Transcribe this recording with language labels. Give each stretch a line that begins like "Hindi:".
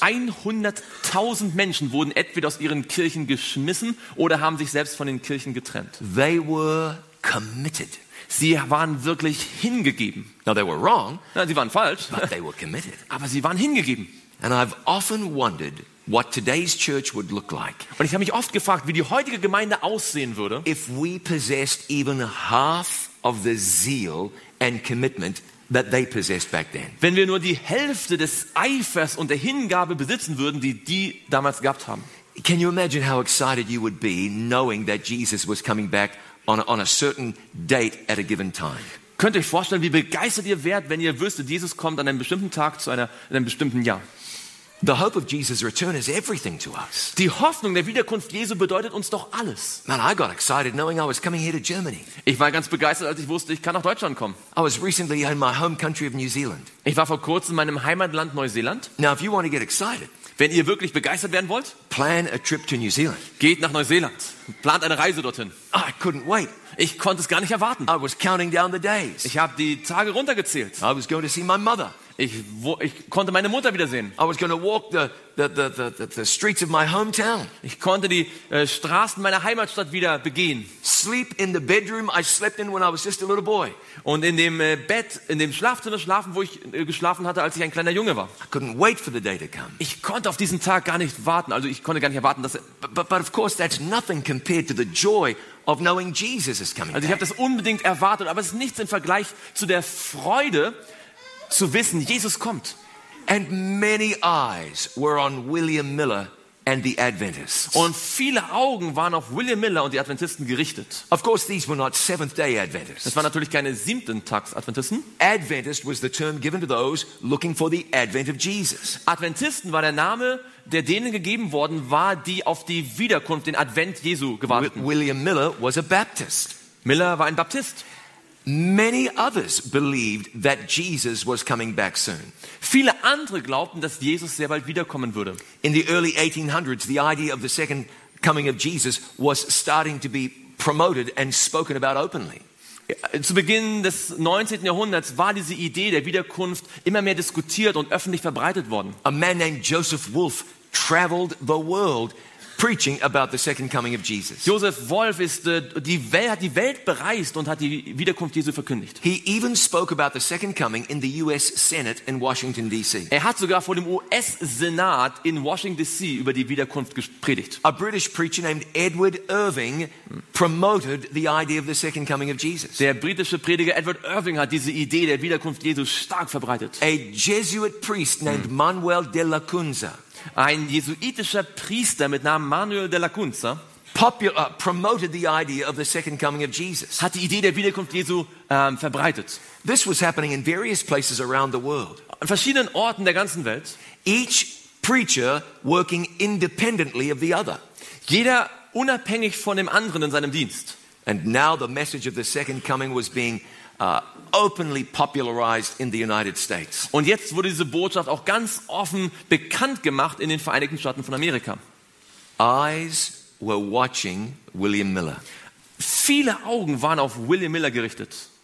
German: 100,000 Menschen wurden entweder aus ihren Kirchen geschmissen oder haben sich selbst von den Kirchen getrennt.
English: They were committed.
German: Sie waren wirklich hingegeben.
English: Now they were wrong.
German: Nein, sie waren falsch.
English: But they were committed.
German: Aber sie waren hingegeben.
English: And I've often wondered what today's church would look like.
German: Und ich habe mich oft gefragt, wie die heutige Gemeinde aussehen würde.
English: If we possessed even half of the zeal and commitment that they possessed back then.
German: Wenn wir nur die Hälfte des Eifers und der Hingabe besitzen würden, die die damals gehabt haben.
English: Can you imagine how excited you would be knowing that Jesus was coming back on a certain date at a given time?
German: Könnt ihr euch vorstellen, wie begeistert ihr wärt, wenn ihr wüsstet, Jesus kommt an einem bestimmten Tag zu einem bestimmten Jahr?
English: The hope of Jesus' return is everything to us.
German: Die Hoffnung der Wiederkunft Jesu bedeutet uns doch alles.
English: Man, I got excited knowing I was coming here to Germany.
German: Ich war ganz begeistert, als ich wusste, ich kann nach Deutschland kommen.
English: I was recently in my home country of New Zealand.
German: Ich war vor kurzem in meinem Heimatland Neuseeland.
English: Now, if you want to get excited,
German: wenn ihr wirklich begeistert werden wollt,
English: plan a trip to New Zealand.
German: Geht nach Neuseeland. Plant eine Reise dorthin.
English: I couldn't wait.
German: Ich konnte es gar nicht erwarten.
English: I was counting down the days.
German: Ich habe die Tage runtergezählt.
English: I was going to see my mother.
German: Ich konnte meine Mutter wiedersehen.
English: I was going to walk the streets of my hometown.
German: Ich konnte die Straßen meiner Heimatstadt wieder begehen.
English: Sleep in the bedroom I slept in when I was just a little boy.
German: Und in dem Bett, in dem Schlafzimmer schlafen, wo ich geschlafen hatte, als ich ein kleiner Junge war.
English: I couldn't wait for the day to come.
German: Ich konnte auf diesen Tag gar nicht warten. Also ich konnte gar nicht erwarten, dass.
English: But of course that's nothing compared to the joy of knowing Jesus is coming.
German: Also ich habe das unbedingt erwartet, aber es ist nichts im Vergleich zu der Freude, zu wissen, Jesus kommt.
English: And many eyes were on William Miller and the Adventists.
German: Und viele Augen waren auf William Miller und die Adventisten gerichtet.
English: Of course, these were not Seventh-day Adventists.
German: Das waren natürlich keine Siebenten-Tags-Adventisten.
English: Adventist was the term given to those looking for the advent of Jesus.
German: Adventisten war der Name, der denen gegeben worden war, die auf die Wiederkunft, den Advent Jesu gewarteten.
English: William Miller was a Baptist.
German: Miller war ein Baptist.
English: Many others believed that Jesus was coming back soon.
German: Viele andere glaubten, dass Jesus sehr bald wiederkommen würde.
English: In the early 1800s, the idea of the second coming of Jesus was starting to be promoted and spoken about openly.
German: Zu Beginn des 19. Jahrhunderts war diese Idee der Wiederkunft immer mehr diskutiert und öffentlich verbreitet worden.
English: A man named Joseph Wolff traveled the world preaching about the second coming of Jesus.
German: Joseph Wolff ist hat die Welt bereist und hat die Wiederkunft Jesu verkündigt.
English: He even spoke about the second coming in the US Senate in Washington DC.
German: Er hat sogar vor dem US Senat in Washington DC über die Wiederkunft gepredigt.
English: A British preacher named Edward Irving promoted the idea of the second coming of Jesus.
German: Der britische Prediger Edward Irving hat diese Idee der Wiederkunft Jesu stark verbreitet.
English: A Jesuit priest named Manuel de la Cunza.
German: Ein jesuitischer Priester mit Namen Manuel de la Cunza
English: promoted the idea of the second coming of Jesus.
German: Hat die Idee der Wiederkunft Jesu verbreitet.
English: This was happening in various places around the world.
German: An verschiedenen Orten der ganzen Welt.
English: Each preacher working independently of the other.
German: Jeder unabhängig von dem anderen in seinem Dienst.
English: And now the message of the second coming was being openly popularized in the United States.
German: Und jetzt wurde diese Botschaft auch ganz offen bekannt gemacht in den Vereinigten Staaten von Amerika.
English: Eyes were watching William Miller.
German: Viele Augen waren auf William Miller gerichtet.